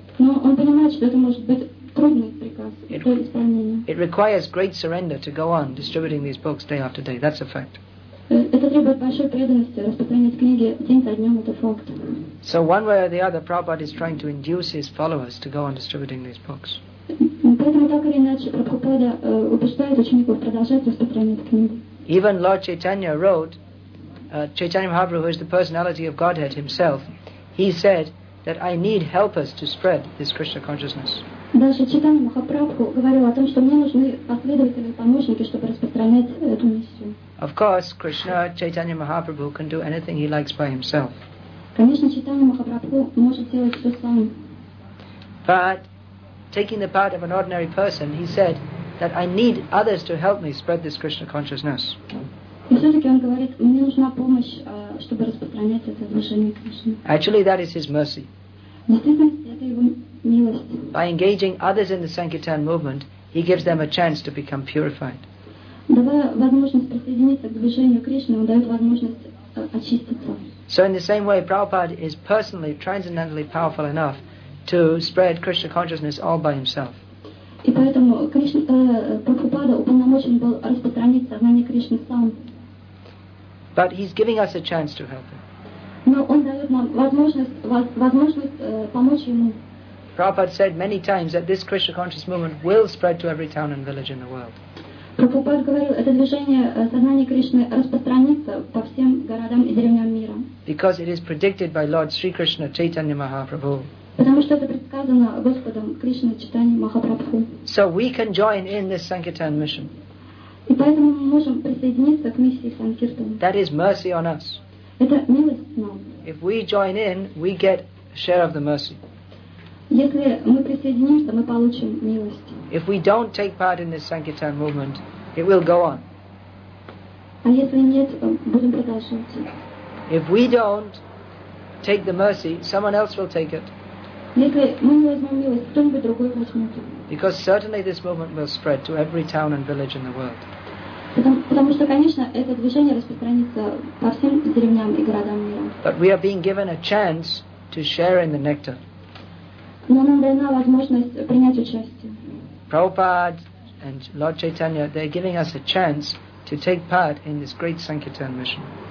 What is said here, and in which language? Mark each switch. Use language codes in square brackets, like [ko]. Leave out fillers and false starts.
[ru] Но он понимает, что это может быть трудный приказ по исполнению. [en] It requires great surrender to go on distributing these books day after day. That's a fact. [ru] Это требует большой преданности распространять книги день за днем. Это факт. [en] So one way or the other, Prabhupada is trying to induce his followers to go on distributing these books. [ru] Поэтому так или иначе Прабхупада убеждает учеников продолжать распространять книги. [en] Even Lord Chaitanya wrote, Chaitanya Mahaprabhu, who is the personality of Godhead himself, he said that I need helpers to spread this Krishna consciousness. [ru] Даже Чайтанья Махапрабху говорил о том, что мне нужны последователи, помощники, чтобы распространять эту миссию. [en] Of course, Krishna, Chaitanya Mahaprabhu can do anything he likes by himself. [ru] Конечно, Чайтанья Махапрабху может делать все сам. [en] But taking the part of an ordinary person, he said that I need others to help me spread this Krishna consciousness. [ru] И все-таки он говорит, мне нужна помощь, чтобы распространять это движение Кришны. [en] Actually, that is his mercy. [ru] Действительно, это его милость. [en] By engaging others in the Sankirtan movement, he gives them a chance to become purified. [ru] Давая возможность присоединиться к движению Кришны, он дает возможность очиститься. [en] So in the same way, Prabhupada is personally, transcendentally powerful enough to spread Krishna consciousness all by himself. [ru] И поэтому Прабхупада уполномочен был распространить сознание Кришны сам. [en] But he's giving us a chance to help him. [ru] Но он дает нам возможность помочь ему. [en] Prabhupada said many times that this Krishna conscious movement will spread to every town and village in the world. [ru] Прабхупада говорил, это движение сознания Кришны распространится по всем городам и деревням мира. [en] Because it is predicted by Lord Sri Krishna Chaitanya Mahaprabhu. [ru] Потому что это предсказано Господом Кришной Чайтанья Махапрабху. [en] So we can join in this Sankirtan mission. [ru] И поэтому мы можем присоединиться к миссии Санкиртана. [en] That is mercy on us. [ru] Это милость нам. [en] If we join in, we get a share of the mercy. [ru] Если мы присоединимся, мы получим милость. [en] If we don't take part in this Sankirtan movement, it will go on. [ru] А если нет, будем продолжать. [en] If we don't take the mercy, someone else will take it. [ru] Если мы не возьмем милость, кто-нибудь другой возьмет. [en] Because certainly this movement will spread to every town and village in the world. [ru] Потому что, конечно, это движение распространится по всем деревням и городам мира. [en] But we are being given a chance to share in the nectar. [ru] Но нам дана возможность принять участие. [en] Prabhupada and Lord Chaitanya, they're giving us a chance to take part in this great Sankirtan mission.